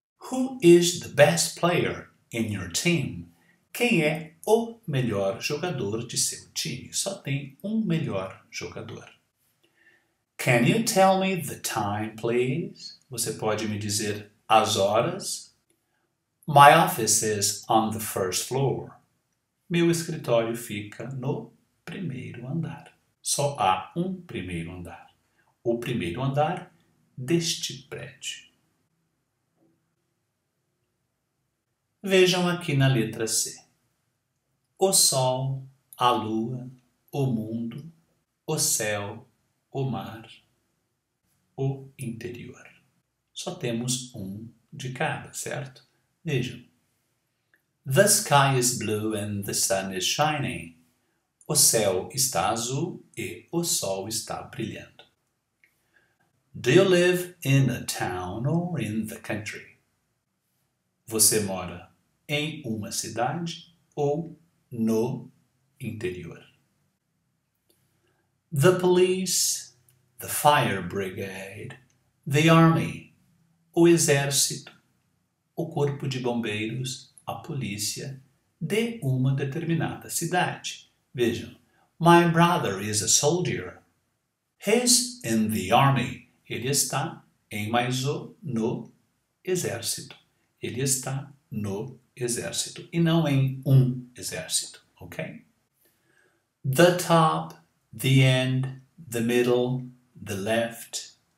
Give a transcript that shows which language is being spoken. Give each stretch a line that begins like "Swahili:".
English: Who is the best player in your team?
Portuguese: Quem é o melhor jogador de seu time? Só tem um melhor jogador.
English: Can you tell me the time, please?
Portuguese: Você pode me dizer as horas?
English: My office is on the first floor.
Portuguese: Meu escritório fica no primeiro andar. Só há um primeiro andar. O primeiro andar deste prédio. Vejam aqui na letra C. O sol, a lua, o mundo, o céu, o mar, o interior. Só temos um de cada, certo? Vejam.
English: The sky is blue and the sun is shining.
Portuguese: O céu está azul e o sol está brilhando.
English: Do you live in a town or in the country?
Portuguese: Você mora em uma cidade ou no interior?
English: The police, the fire brigade, the army,
Portuguese: o exército, o corpo de bombeiros, a polícia de uma determinada cidade. Vejam,
English: my brother is a soldier. He's in the army.
Portuguese: Ele está em mais o no exército. Ele está no exército e não em um exército, ok?
English: The top, the end, the middle, the left.